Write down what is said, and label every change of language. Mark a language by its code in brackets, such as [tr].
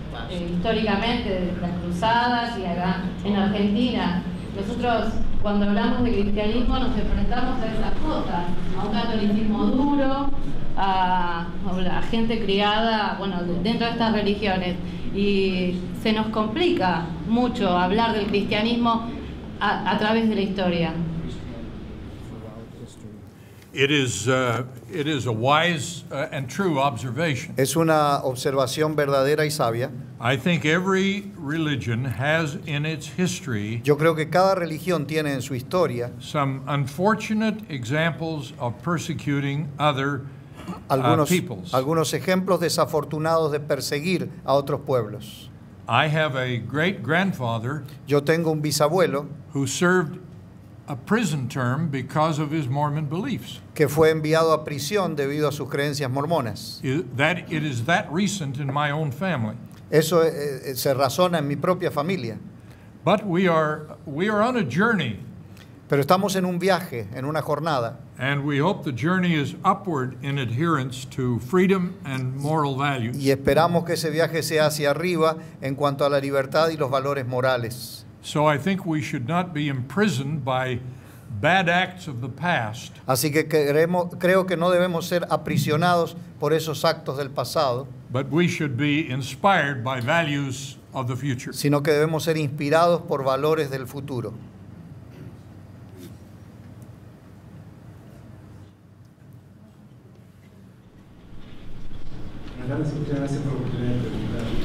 [es] históricamente las cruzadas y acá en Argentina nosotros cuando hablamos de cristianismo nos enfrentamos a esas cosas, a un catolicismo duro, a gente criada, bueno, dentro de estas religiones, y se nos complica mucho hablar del cristianismo a través de la historia. [en] It is a wise and true observation. [es] Es una observación verdadera y sabia. [en] I think every religion has in its history. [es] Yo creo que cada religión tiene en su historia [en] some unfortunate examples of persecuting other peoples. [es] Algunos ejemplos desafortunados de perseguir a otros pueblos. [en] I have a great grandfather. [es] Yo tengo un bisabuelo [en] who served a prison term because of his Mormon beliefs. [es] Que fue enviado a prisión debido a sus creencias mormonas. [en] It is that recent in my own family. [es] Eso se razona en mi propia familia. [en] But we are on a journey. [es] Pero estamos en un viaje, en una jornada. [en] And we hope the journey is upward in adherence to freedom and moral values. [es] Y esperamos que ese viaje sea hacia arriba en cuanto a la libertad y los valores morales. [en] So I think we should not be imprisoned by bad acts of the past. [es] Así que creo que no debemos ser aprisionados por esos actos del pasado. [en] But we should be inspired by values of the future. [es] Sino que debemos ser inspirados por valores del futuro. Gracias por la oportunidad de preguntar.